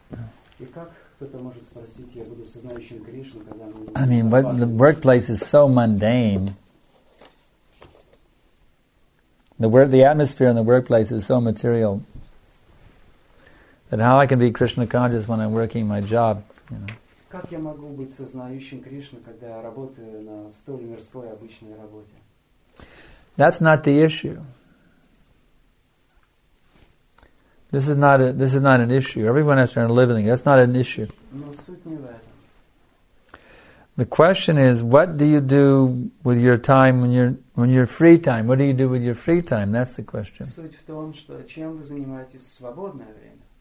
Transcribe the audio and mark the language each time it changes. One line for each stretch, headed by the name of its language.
English: I mean, what, the workplace is so mundane. The atmosphere in the workplace is so material that how I can be Krishna conscious when I'm working my job, you know.
Russian: Как я могу быть сознающим Кришну, когда я работаю на столь мирской обычной работе?
English: That's not the issue. This is not an issue. Everyone has to earn a living. That's not an issue.
Russian: Но суть не в этом.
English: The question is, what do you do with your time when you're free time? What do you do with your free time? That's the question.
Russian: Суть в том, что чем вы занимаетесь в свободное время?